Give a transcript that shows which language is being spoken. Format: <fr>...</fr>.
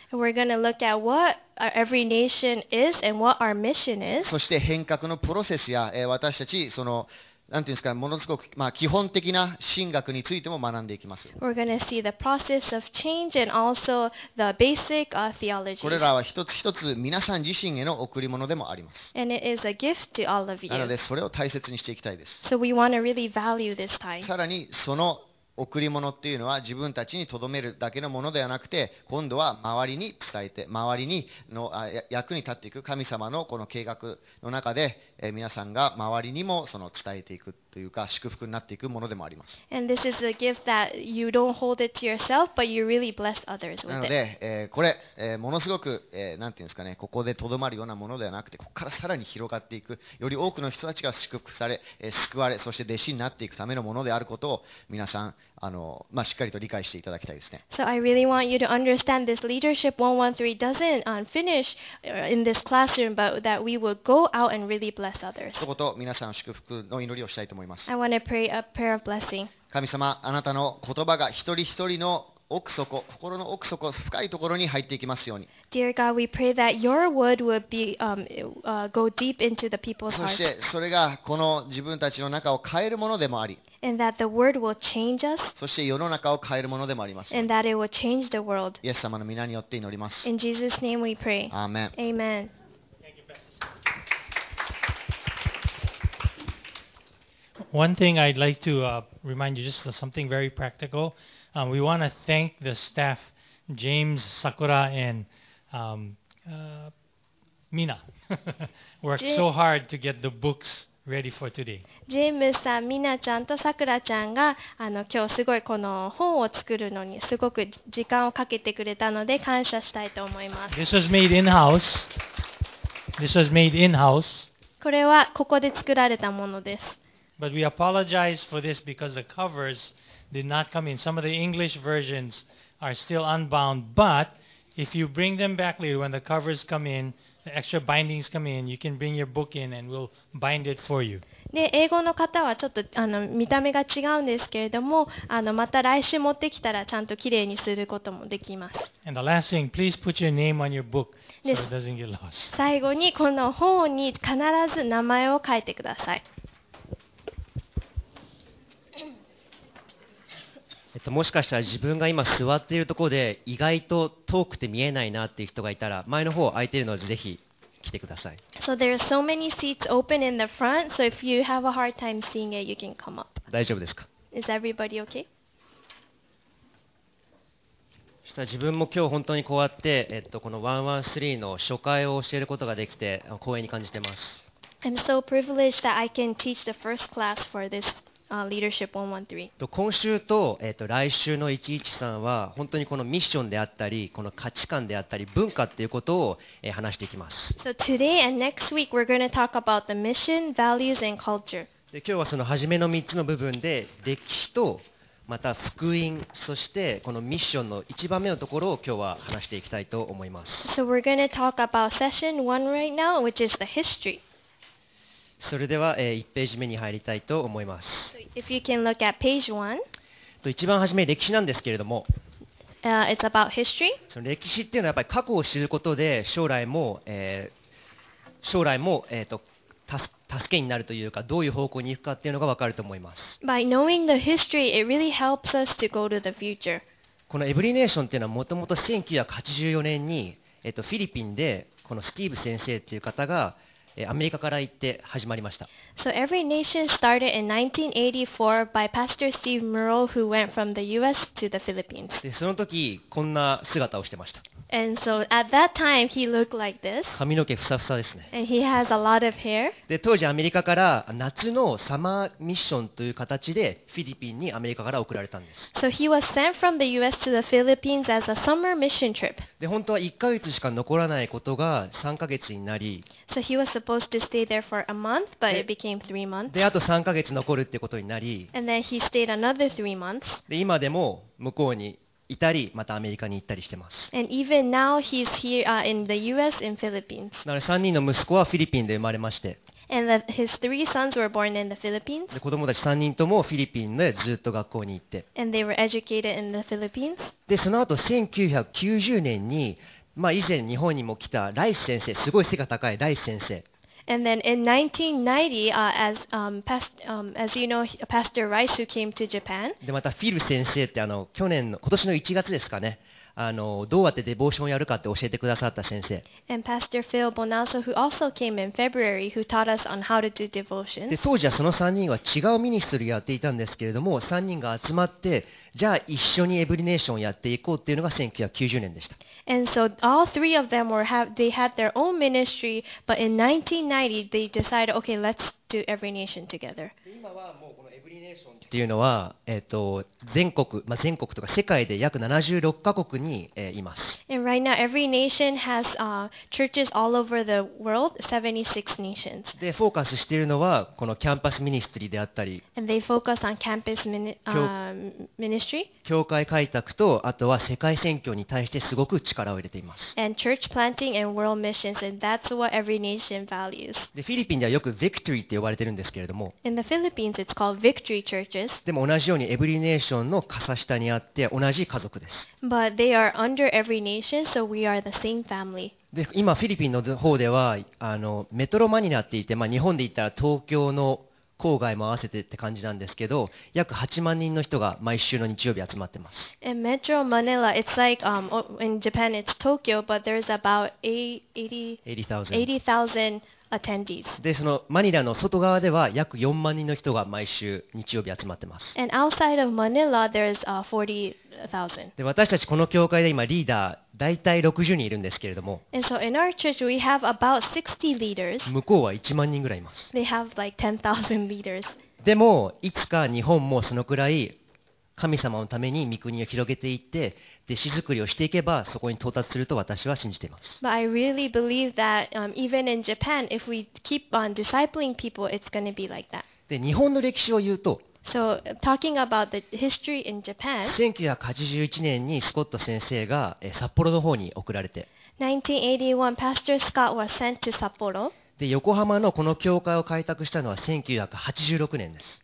<en>We're going to look at what every nation is and what our mission is.</en> <ja>そして変革のプロセスや、私たちそのなんていうんですか、ものすごく、基本的な神学についても学んでいきます。</ja> <en>We're going to see the process of change and also the basic theology.</en> <ja>これらは一つ一つ皆さん自身への贈り物でもあります。</ja> <en>And it is a gift to all of you.</en> <ja>なのでそれを大切にしていきたいです。</ja> <en>So we want to really value this time.</en> <ja>さらにその贈り物っていうのは自分たちに留めるだけのものではなくて、今度は周りに伝えて、周りにの役に立っていく、神様のこの計画の中で皆さんが周りにもその伝えていくというか、祝福になっていくものでもあります。</ja> <en>And this is a gift that you don't hold it to yourself, but you really bless others with it.</en> <ja>なので、これ、ものすごく、なんていうんですかね、ここで留まるようなものではなくて、ここからさらに広がっていく、より多くの人たちが祝福され、救われ、そして弟子になっていくためのものであることを皆さんしっかりと理解していただきたいですね。</ja> <en>So I really want you to understand this leadership 113 doesn't finish in this classroom, but that we will go out and really bless others.</en> <ja>一言、皆さん祝福の祈りをしたいと思います。</ja> <en>I want to pray a prayer of blessing.</en> <ja>神様、あなたの言葉が一人一人の奥底、心の奥底、深いところに入っていきますように。</ja> <en>Dear God, we pray that your word would be, go deep into the people's hearts.</en> <ja>そしてそれがこの自分たちの中を変えるものでもあり、</ja> <en>And that the word will change us.</en> <ja>そして世の中を変えるものでもあります。</ja> <en>And that it will change the world.</en> <ja>イエス様の御名によって祈ります。</ja> <en>In Jesus' name we pray. Amen. Amen. One thing I'd like to remind you, just something very practical. We want to thank the staff, James, Sakura, and Mina, worked so hard to get the books ready for today.</en> <ja>ジムさん、ミナちゃんとさくらちゃんが今日すごいこの本を作るのにすごく時間をかけてくれたので感謝したいと思います。</ja> <en>This was made in-house. This was made in-house.</en> <ja>これはここで作られたものです。</ja> <en>But we apologize for this because the covers did not come in. Some of the English versions are still unbound, but if you bring them back later when the covers come in,The extra bindings come in. You can bring your book in, and we'll bind it for you.</en> <ja>で、英語の方はちょっと見た目が違うんですけれども、また来週持ってきたらちゃんと綺麗にすることもできます。</ja> <en>And the last thing, please put your name on your book so it doesn't get lost.</en> <ja>最後にこの本に必ず名前を書いてください。もしかしたら自分が今座っているところで意外と遠くて見えないなっていう人がいたら前の方空いているのでぜひ来てください。</ja> <en>So there are so many seats open in the front, so if you have a hard time seeing it, you can come up.</en> <ja>大丈夫ですか?</ja> <en>Is everybody okay?</en> <ja>そしたら自分も今日本当にこうやって、この113の初回を教えることができて光栄に感じてます。</ja> <en>I'm so privileged that I can teach the first class for this. Leadership 113.</en> <ja>今週と、来週の113は本当にこのミッションであったりこの価値観であったり文化っていうことを、話していきます。</ja> <en>So today and next week we're going to talk about the mission, values and culture.</en> <ja>で今日はその初めの3つの部分で歴史とまた福音そしてこのミッションの1番目のところを今日は話していきたいと思います。</ja> <en>So we're going to talk about session 1 right now, which is the history.</en> <ja>それでは、1ページ目に入りたいと思います。</ja> <en>If you can look at page one,</en> <ja>一番初め歴史なんですけれども、</ja> <en>it's about history.</en> <ja>その歴史っていうのはやっぱり過去を知ることで将来も、将来も、助けになるというかどういう方向に行くかっていうのが分かると思います。</ja> <en>By knowing the history, it really helps us to go to the future.</en> <ja>このエブリネーションっていうのはもともと1984年に、フィリピンでこのスティーブ先生っていう方がアメリカから行って始まりました。</ja> <en>So every nation started in 1984 by Pastor Steve Murrell who went from the US to the Philippines.</en> <ja>で、その時こんな姿をしてました。</ja> <en>And so at that time he looked like this.</en> <ja>髪の毛ふさふさですね。</ja> <en>And he has a lot of hair.</en> <ja>で、当時アメリカから夏のサマーミッションという形でフィリピンにアメリカから送られたんです。</ja> <en>So he was sent from the US to the Philippines as a summer mission trip.</en> <ja>で、本当は1ヶ月しか残らないことが3ヶ月になり、</ja> <en>So he was supposed to stay there for a month, but it became 3 months.</en> <ja>で、あと3ヶ月残るってことになり、</ja> <en>And then he stayed another 3 months.</en> <ja>で、今でも向こうにいたりまたアメリカに行ったりしてます。</ja> <en>And even now he's here, in the US in Philippines.</en> <ja>だから3人の息子はフィリピンで生まれまして。</ja> <en>And his three sons were born in the Philippines.</en> <ja>で、子供たち3人ともフィリピンでずっと学校に行って。</ja> <en>And they were educated in the Philippines.</en> <ja>で、その後1990年に、まあ以前日本にも来たライス先生、すごい背が高いライス先生。</ja> <en>And then in 1990, as you know, Pastor Rice who came to Japan.</en> <ja>でまたフィル先生って去年の今年の1月ですかね。どうやってデボーションをやるかって教えてくださった先生。</ja> <en>And Pastor Phil Bonasso who also came in February who taught us on how to do devotion.</en> <ja>で当時はその3人は違うミニストリーやっていたんですけれども、3人が集まってじゃあ一緒にエブリネーションをやっていこうっていうのが1990年でした。</ja> <en>And so all three of them were they had their own ministry, but in 1990 they decided, okay, let's do every nation together.</en> <ja>今はもうこのエブリネーションっていうのは全国まあ全国とか世界で約76カ国に、います。</ja> <en>And right now every nation has churches all over the world, 76 nations.</en> <ja>でフォーカスしているのはこのキャンパスミニストリーであったり。</ja> <en>And they focus on campus ministry.</en> <ja>教会開拓とあとは世界宣教に対してすごく力を入れています。</ja> <en>And church planting and world missions, and that's what every nation values.</en> <ja>でフィリピンではよく Victory って呼ばれてるんですけれども、</ja> <en>In the Philippines, it's called Victory Churches.</en> <ja>でも同じようにエブリネーションの傘下にあって同じ家族です。</ja> <en>But they are under every nation, so we are the same family.</en> <ja>で今フィリピンの方ではメトロマニラって言って、まあ、日本で言ったら東京の郊外も合わせてって感じなんですけど、約8万人の人が毎週の日曜日集まってます。</ja> <en>In Metro Manila, it's like in Japan, it's Tokyo, but there's about 80,000 attendees.</en> <ja>で、そのマニラの外側では約4万人の人が毎週日曜日集まってます。</ja> <en>And outside of Manila, there's 40,000.</en> <ja>で、私たちこの教会で今リーダー大体60人いるんですけれども、向こうは1万人ぐらいいます。</ja> <en>They have like 10,000 leaders.</en> <ja>でもいつか日本もそのくらい神様のために御国を広げていって弟子作りをしていけばそこに到達すると私は信じています。</ja> <en>But I really believe that, even in Japan, if we keep on discipling people, it's going to be like that.</en> <ja>で、日本の歴史を言うと、</ja> <en>So, talking about the history in Japan,</en> <ja>1981年にスコット先生が札幌の方に送られて、</ja> <en>1981, Pastor Scott was sent to Sapporo.</en> <ja>で、横浜のこの教会を開拓したのは1986年です。</ja>